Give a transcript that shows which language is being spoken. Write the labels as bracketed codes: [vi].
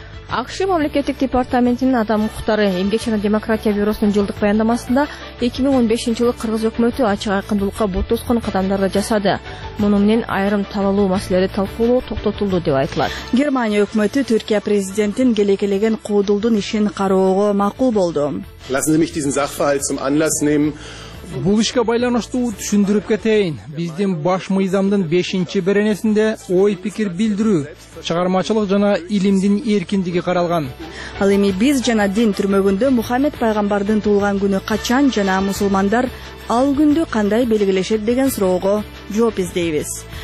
[ky] АКШ мамлекеттик департаментинин адам укуктары эмгек жана демократия бюросунун жылдык баяндамасында 2015 жылы кыргыз өкмөтү ачык айкындылыкка бут тоскон кадамдарды жасады. Муну менен айрым талалуу маселелер талкуулоо токтотулду деп айтылат. Германия өкмөтү Түркия президентин келекелеген куудулдун ишин кароого макул болду. [de] Lassen Sie mich diesen Sachverhalt zum Anlass nehmen. [ky] Бул ишке байланыштуу түшүндүрүп кетейин. Биздин баш мыйзамдын 5-чи беренесинде ой пикир билдирүү, чыгармачылык жана илимдин эркиндиги каралган. Ал эми биз жана дин түрмөгүндө Мухаммед пайгамбардын туулган күнү качан жана мусулмандар ал күндү кандай белгилешет деген суроого жооп издейбиз.